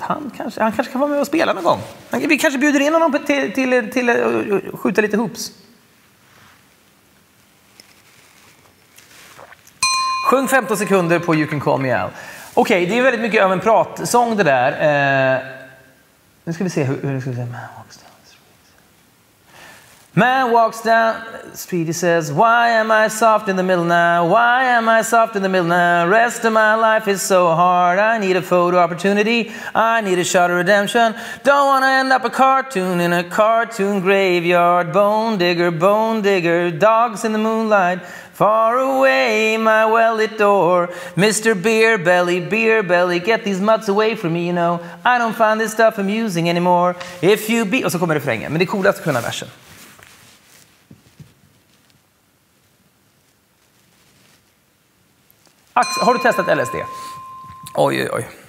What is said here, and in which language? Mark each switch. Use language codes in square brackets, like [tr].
[sv] Han kanske kan vara med och spela någon gång. Vi kanske bjuder in honom till att skjuta lite hoops. Sjung 15 sekunder på You Can Call Me Al. Okej, det är väldigt mycket av en pratsång det där. Nu ska vi se hur det ska se. [en] Man walks down the street. Man walks down the street, he says, why am I soft in the middle now? Why am I soft in the middle now? Rest of my life is so hard. I need a photo opportunity. I need a shot of redemption. Don't wanna end up a cartoon in a cartoon graveyard. Bone digger, dogs in the moonlight. Far away, my well it door. Mr. Beer Belly, Beer Belly, get these mutts away from me, you know. I don't find this stuff amusing anymore. If you be... [sv] Och så kommer refrängen. Men det är coolast att kunna versen. Har du testat LSD? Oj, oj, oj.